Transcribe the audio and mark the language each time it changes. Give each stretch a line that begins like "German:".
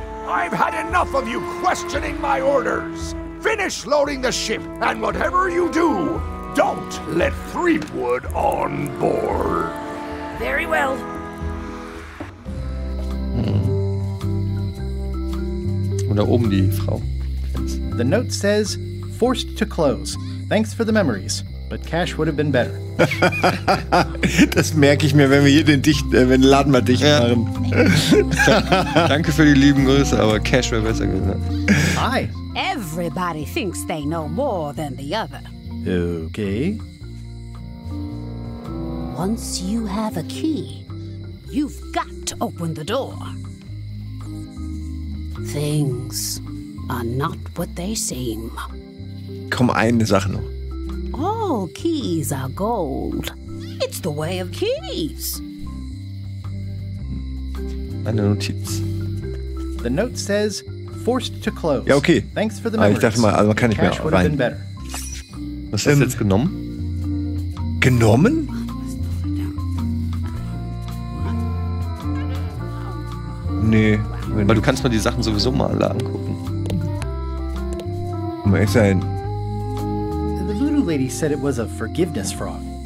English: I've had enough of you questioning my orders. Finish loading the ship, and whatever you do, don't let Threepwood on board. Very well.
German: Da oben die Frau.
English: The note says, forced to close. Thanks for the memories, but cash would have been better.
German: Das merke ich mir, wenn wir hier wenn den Laden mal dicht machen. Danke für die lieben Grüße, aber cash wäre besser gewesen.
English: Hi. Everybody thinks they know more than the other. Okay. Once you have a key, you've got to open the door. Things are not what they seem.
German: Komm, eine Sache noch.
English: All keys are gold. It's the way of keys.
German: Eine Notiz.
English: The note says, forced to close.
German: Ja, okay.
English: Thanks for the memories.
German: Ich dachte mal, also kann ich mehr rein. Was hast du jetzt genommen? Genommen? Nee. Weil du kannst mal die Sachen sowieso mal alle angucken. Mal ehrlich sein.
English: The voodoo lady said it was a forgiveness frog.